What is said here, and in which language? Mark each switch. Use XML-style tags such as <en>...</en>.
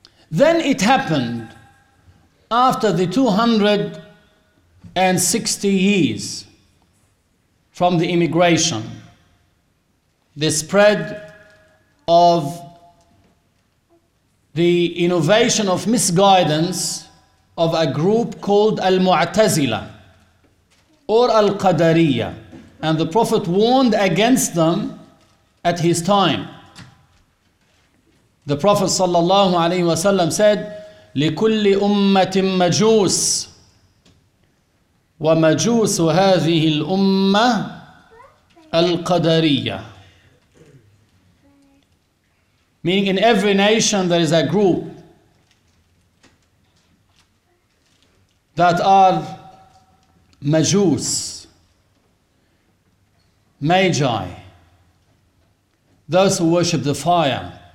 <en>Then it happened after the 260 years from the immigration, the spread of the innovation of misguidance of a group called Al-Mu'tazila or Al-Qadariya. And the Prophet warned against them at his time. The Prophet sallallahu alaihi wasallam said,</en> <ar>لِكُلِّ أُمَّةٍ مَجُوسٍ وَمَجُوسُ هَذِهِ الْأُمَّةِ الْقَدَرِيَّةِ.</ar> <en>Meaning in every nation there is a group that are majus, magi, those who worship the fire.</en>